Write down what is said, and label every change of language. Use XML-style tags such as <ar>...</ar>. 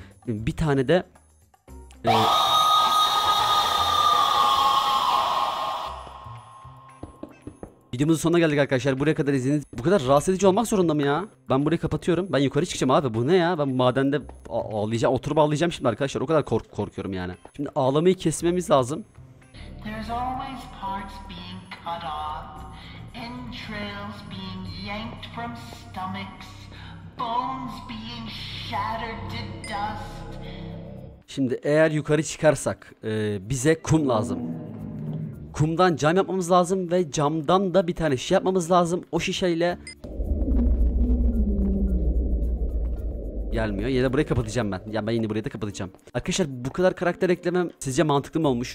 <tr>Bir tane de videomuzun sonuna geldik arkadaşlar. Buraya kadar izlediniz. Bu kadar rahatsız edici olmak zorunda mı ya? Ben burayı kapatıyorum. Ben yukarı çıkacağım abi. Bu ne ya? Ben madende ağlayacağım. Oturup ağlayacağım şimdi arkadaşlar. O kadar korkuyorum yani. Şimdi ağlamayı kesmemiz lazım.</tr> <en>There's always parts being cut off. Entrails being yanked from stomachs. Bones being shattered to dust.</en> <tr>Şimdi eğer yukarı çıkarsak bize kum lazım. Kumdan cam yapmamız lazım ve camdan da bir tane şişe yapmamız lazım. O şişeyle gelmiyor. Yine burayı kapatacağım ben. Ya ben yine burayı da kapatacağım. Arkadaşlar bu kadar karakter eklemem sizce mantıklı mı olmuş?</tr>